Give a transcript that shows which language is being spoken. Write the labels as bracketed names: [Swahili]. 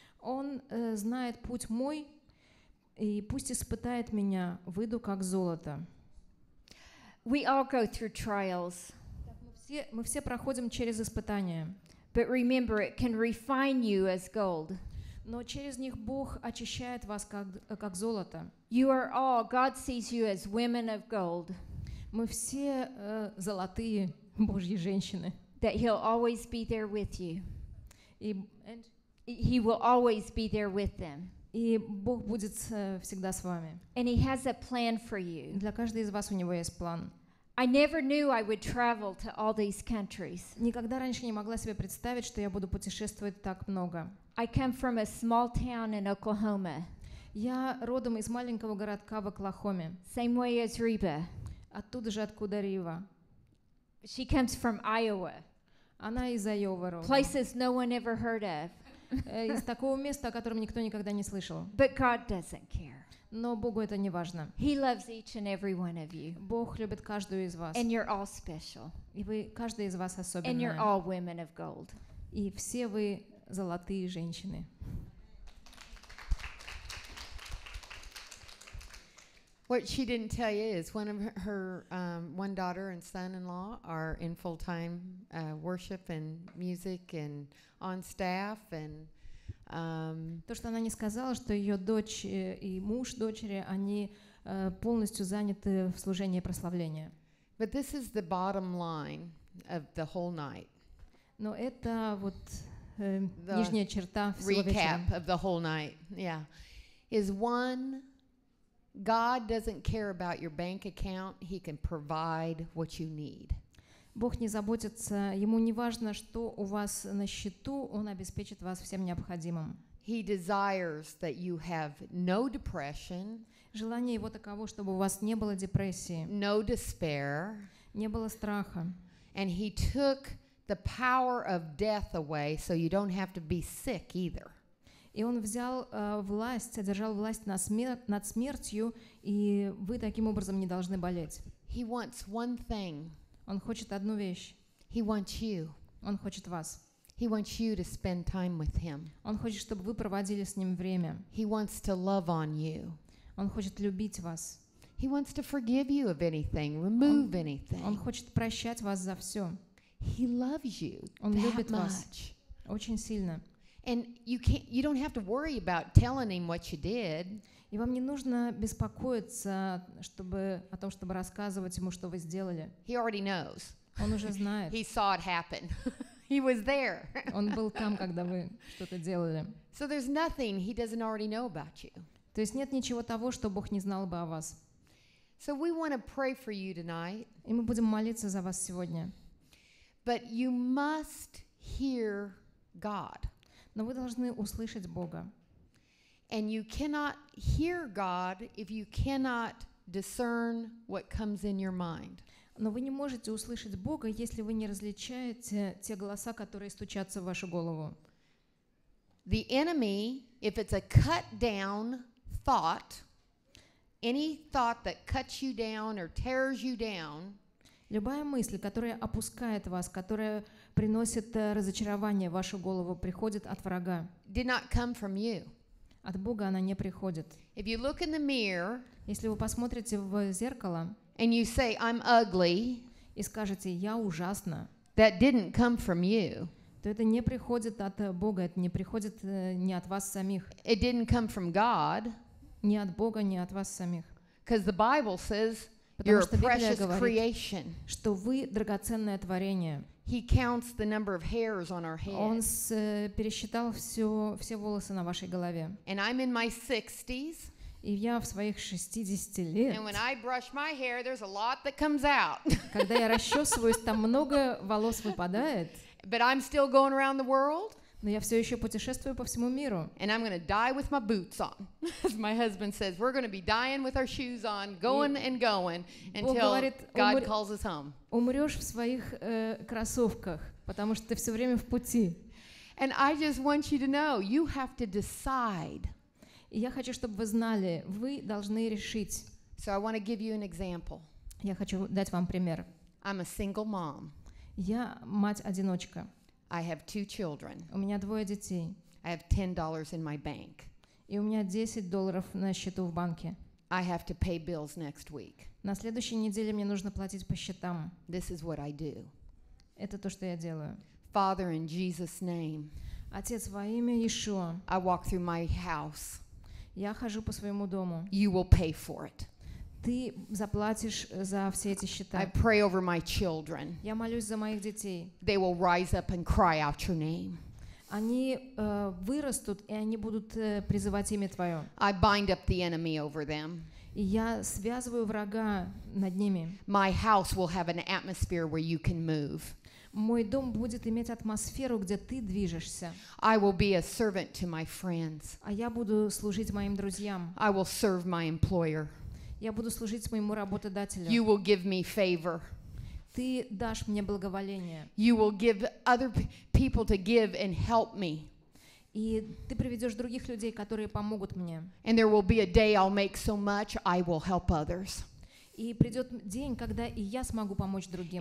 [Russian] Он знает путь мой, и пусть испытает меня, выйду как золото. [English] We all go through trials. [Russian] Мы все проходим через испытания. [English] But remember, it can refine you as gold. [Russian] Но через них Бог очищает вас как золото. [English] You are all. God sees you as women of gold. [Russian] Мы все золотые Божьи женщины. [English] That He'll always be there with you. And He will always be there with them. [Russian] И Бог будет всегда с вами. [English] And He has a plan for you. [Russian] Для каждой из вас у него есть план. [English] I never knew I would travel to all these countries. [Russian] Никогда раньше не могла себе представить, что я буду путешествовать так много. [English] I come from a small town in Oklahoma. [Russian] Я родом из маленького городка в Оклахоме. [English] Same way as Reba. [Russian] Оттуда же, откуда Рива. [English] She comes from Iowa. [Russian] Она из Айовы родом. [English] Places no one ever heard of. [Russian] Из такого места, о котором никто никогда не слышал. [English] But God doesn't care. [Russian] Но Богу это не важно. [English] He loves each and every one of you. [Russian] Бог любит каждую из вас. [English] And you're all special. [Russian] И вы, каждая из вас особенная. [English] And you're all women of gold. [Russian] И все вы золотые женщины. [English] What she didn't tell you is one of her one daughter and son-in-law are in full-time worship and music and on staff and [Russian] то, что она не сказала, что ее дочь и муж дочери, они полностью заняты в служении и прославлении. [English] But this is the bottom line of the whole night. [Russian] Но это вот нижняя черта всего вечера. [English] Recap of the whole night, yeah, is one. God doesn't care about your bank account. He can provide what you need. [Russian] Бог не заботится, ему не важно, что у вас на счету, он обеспечит вас всем необходимым. [English] He desires that you have no depression. [Russian] Желание его таково, чтобы у вас не было депрессии. [English] No despair. [Russian] Не было страха. [English] And he took the power of death away, so you don't have to be sick either. [Russian] И он взял власть, одержал власть над смертью, и вы таким образом не должны болеть. [English] He wants one thing. [Russian] Он хочет одну вещь. [English] He wants you. [Russian] Он хочет вас. [English] He wants you to spend time with him. [Russian] Он хочет, чтобы вы проводили с ним время. [English] He wants to love on you. [Russian] Он хочет любить вас. [English] He wants to forgive you of anything, remove anything. [Russian] Он хочет прощать вас за все. [English] He loves you. [Russian] Он любит вас очень сильно. [English] And you don't have to worry about telling him what you did. [Russian] И вам не нужно беспокоиться, чтобы рассказывать ему, что вы сделали. [English] He already knows. [Russian] Он уже знает. [English] He saw it happen. He was there. [Russian] Он был там, когда вы что-то делали. [English] So there's nothing he doesn't already know about you. [Russian] То есть нет ничего того, что Бог не знал бы о вас. [English] So we want to pray for you tonight. [Russian] И мы будем молиться за вас сегодня. [English] But you must hear God. [Russian] Но вы должны услышать Бога. [English] And you cannot hear God if you cannot discern what comes in your mind. [Russian] Но вы не можете услышать Бога, если вы не различаете те голоса, которые стучатся в вашу голову. [English] The enemy, if it's a cut down thought, any thought that cuts you down or tears you down, [Russian] любая мысль, которая опускает вас, которая приносит разочарование в вашу голову, приходит от врага. [English] Did not come from you. [Russian] От Бога она не приходит. [English] If you look in the mirror, [Russian] если вы посмотрите в зеркало, [English] and you say, I'm ugly, [Russian] и скажете, я ужасна, [English] that didn't come from you. [Russian] То это не приходит от Бога, это не приходит не от вас самих. [English] It didn't come from God. [Russian] Не от Бога, не от вас самих. [English] Because the Bible says, [Russian] потому что Библия говорит, [English] creation. [Russian] Что вы драгоценное творение. [English] He counts the number of hairs on our head. [Russian] Он пересчитал все волосы на вашей голове. [English] And I'm in my 60s. [Russian] И я в своих 60 лет. [English] And when I brush my hair, there's a lot that comes out. [Russian] Когда я расчесываюсь, там много волос выпадает. [English] But I'm still going around the world. [Russian] Но я все еще путешествую по всему миру. [English] And I'm going to die with my boots on. As my husband says, we're going to be dying with our shoes on, going and going until God calls us home. [Russian] Умрешь в своих кроссовках, потому что ты все время в пути. [English] And I just want you to know, you have to decide. [Russian] И я хочу, чтобы вы знали, вы должны решить. [English] So I want to give you an example. [Russian] Я хочу дать вам пример. [English] I'm a single mom. [Russian] Я мать-одиночка. [English] I have two children. [Russian] У меня двое детей. [English] I have $10 in my bank. [Russian] И у меня $10 на счету в банке. [English] I have to pay bills next week. [Russian] На следующей неделе мне нужно платить по счетам. [English] This is what I do. [Russian] Это то, что я делаю. [English] Father, in Jesus' name. [Russian] Отец, во имя Иешуа. [English] I walk through my house. [Russian] Я хожу по своему дому. [English] You will pay for it. [Russian] Ты заплатишь за все эти счета. [English] I pray over my children. [Russian] Я молюсь за моих детей. [English] They will rise up and cry out your name. [Russian] Они вырастут, и они будут призывать имя Твое. [English] I bind up the enemy over them. [Russian] И я связываю врага над ними. [English] My house will have an atmosphere where you can move. [Russian] Мой дом будет иметь атмосферу, где ты движешься. [English] I will be a servant to my friends. [Russian] А я буду служить моим друзьям. [English] I will serve my employer. [Russian] Я буду служить моему работодателю. [English] You will give me favor. [Russian] Ты дашь мне благоволение. [English] You will give other people to give and help me. [Russian] И ты приведешь других людей, которые помогут мне. [English] And there will be a day I'll make so much I will help others. [Russian] И придет день, когда и я смогу помочь другим.